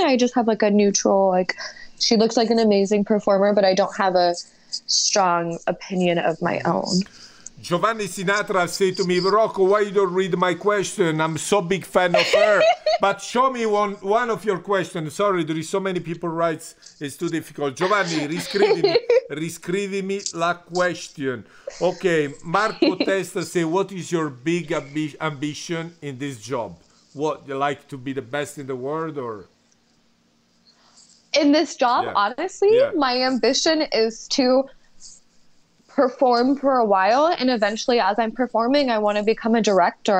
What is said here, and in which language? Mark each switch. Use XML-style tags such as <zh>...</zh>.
<en>I just have like a neutral, like, she looks like an amazing performer, but I don't have a strong opinion of my own. Giovanni Sinatra said to me, Rocco, why you don't read my question? I'm so big fan of her. But show me one of your questions. Sorry, there is so many people writes, it's too difficult.</en> <it>Giovanni, riscrivimi la question.</it> <en>Okay, Marco Testa say, what is your big ambition in this job? What, you like to be the best in the world, or? In this job, my ambition is to perform for a while, and eventually, as I'm performing, I want to become a director.</en>